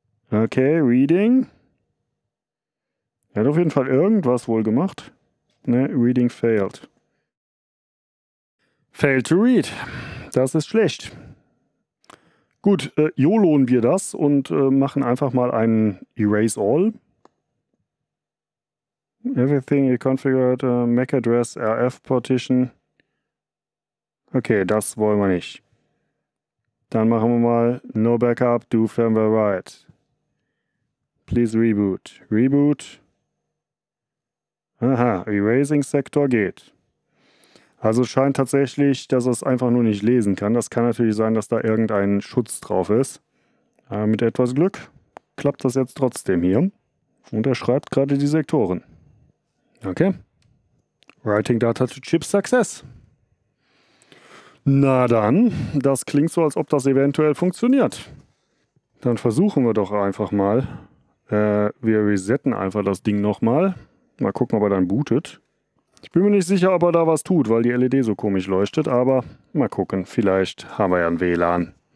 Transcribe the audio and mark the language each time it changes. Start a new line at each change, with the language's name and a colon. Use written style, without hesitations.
German: Okay, reading. Er hat auf jeden Fall irgendwas wohl gemacht. Ne,
English: reading failed. Failed to read.
German: Das ist schlecht. Gut, YOLOen wir das und machen einfach mal einen Erase All.
English: Everything you configured, MAC address, RF partition.
German: Okay, das wollen wir nicht. Dann machen wir mal
English: no backup, do firmware write. Please reboot. Reboot.
German: Aha, Erasing Sektor geht. Also scheint tatsächlich, dass es einfach nur nicht lesen kann. Das kann natürlich sein, dass da irgendein Schutz drauf ist. Aber mit etwas Glück klappt das jetzt trotzdem hier. Und er schreibt gerade die Sektoren. Okay.
English: Writing Data to Chip Success.
German: Na dann, das klingt so, als ob das eventuell funktioniert. Dann versuchen wir doch einfach mal. Wir resetten einfach das Ding nochmal. Mal gucken, ob er dann bootet. Ich bin mir nicht sicher, ob er da was tut, weil die LED so komisch leuchtet, aber mal gucken, vielleicht haben wir ja ein WLAN.